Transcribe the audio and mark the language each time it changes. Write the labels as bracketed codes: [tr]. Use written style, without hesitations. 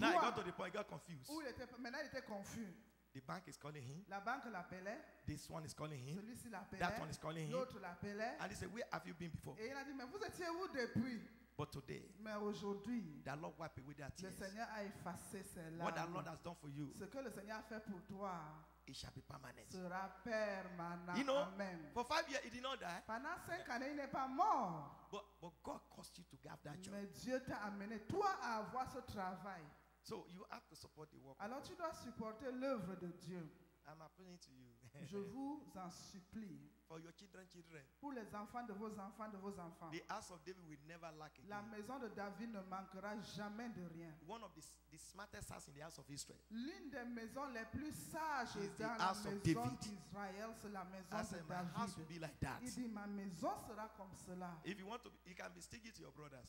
[en] Now he got to the point, he got confused. [fr] Où il était, maintenant il était confus. [en] The bank is calling him. [fr] La banque l'appelait. [en] This one is calling him. [fr] Celui-ci l'appelait. [en] That one is calling him. [fr] L'autre l'appelait. [en] And he said, "Where have you been before?" [fr] Et il a dit, "Mais vous étiez où depuis?" [en] But today, [fr] mais aujourd'hui, [en] the Lord wiped away their tears. [fr] Le Seigneur a effacé ses larmes. [en] What the Lord has done for you. [fr] Ce que le Seigneur a fait pour toi. [en] It shall be permanent. [fr] Sera permanent. [en] You know, amen. For 5 years, he did not die. [fr] Pendant 5 années, il n'est pas mort. [en] But God caused you to have that job. [fr] Mais Dieu t'a amené toi à avoir ce travail. [en] So you have to support the work. [fr] Alors tu dois supporter l'œuvre de Dieu. [en] I'm appealing to you. [fr] Je vous en supplie. [en] For your children. [fr] Pour les enfants de vos enfants de vos enfants. [en] The house of David will never lack again. [fr] La maison de David ne manquera jamais de rien. [en] One of the smartest houses in the house of Israel. [fr] L'une des maisons les plus sages [en] is [fr] dans [en] the house [fr] la maison d'Israël, c'est la maison [en] I said, [fr] de David. [en] My house will be like that. [fr] Il dit, ma maison sera comme cela. [en] If you want to, you can be stingy to your brothers.